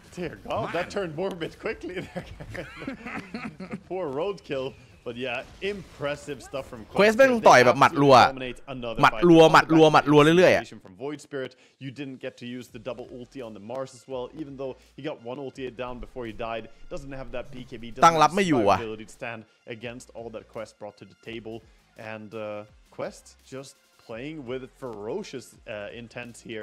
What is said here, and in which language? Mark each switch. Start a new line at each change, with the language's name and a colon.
English: Dear God, that turned morbid quickly there. Poor roadkill But yeah, impressive stuff from Quest.
Thai: Quest เป็นต่อยแบบหมัดรัวหมัดรัวหมัดรัวหมัดรัวเรื่อยๆอ่ะ
English: From Void Spirit, you didn't get to use the double ulti on the Mars as well, even though he got one ulti down before he died. Doesn't have that BKB.
Thai: ตั้งรับไม่อยู่อ่ะ
English: ability to stand against all that Quest brought to the table, and Quest just playing with ferocious intent here.